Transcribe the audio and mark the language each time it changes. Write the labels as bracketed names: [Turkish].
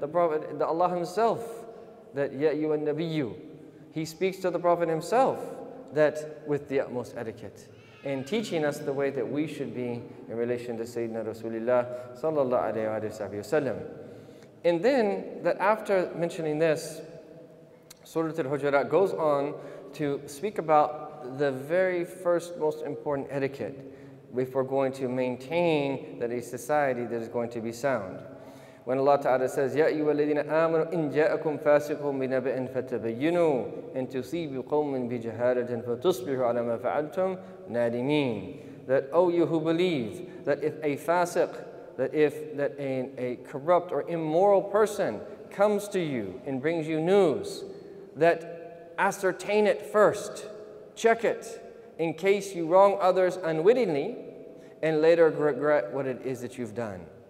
[English] The Prophet, the Allah himself, that ya ayyuhan nabiyyu, he speaks to the Prophet himself that with the utmost etiquette and teaching us the way that we should be in relation to Sayyidina Rasulullah sallallahu alayhi wa sallam. And then that after mentioning this, Surah al-Hujurat goes on to speak about the very first most important etiquette if we're going to maintain that a society that is going to be sound. When Allah Ta'ala says, [Arabic] يَا أَيُّوَ الَّذِينَ آمَنُوا إِنْ جَاءَكُمْ فَاسِقٌ بِنَبَئٍ فَتَبَيِّنُوا أَنْ تُصِيبُوا قَوْمًا بِجَهَالَةٍ فَتُصْبِحُوا عَلَى مَا فَعَلْتُمْ نَادِمِينَ. [English] That, O you who believe, that if a fasiq, that if that a corrupt or immoral person comes to you and brings you news, that ascertain it first, check it, in case you wrong others unwittingly, and later regret what it is that you've done.